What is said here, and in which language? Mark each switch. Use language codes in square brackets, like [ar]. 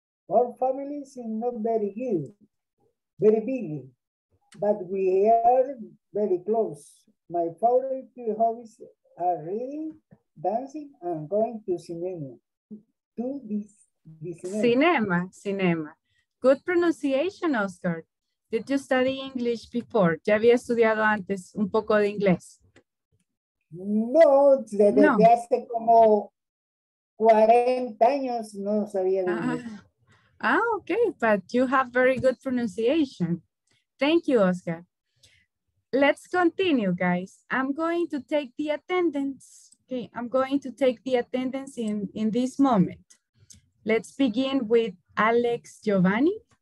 [en] Our family is not very good, very big, but we are very close. My favorite hobbies are reading, dancing, and going to cinema. Cinema. Good pronunciation, Oscar. Did you study English before? [es] ¿Ya había estudiado antes un poco de inglés? No, desde hace como 40 años no sabía de inglés. [en] Ah, okay, but you have very good pronunciation. Thank you, Oscar. Let's continue, guys. I'm going to take the attendance. Okay, I'm going to take the attendance in this moment. Let's begin with Alex Giovanni.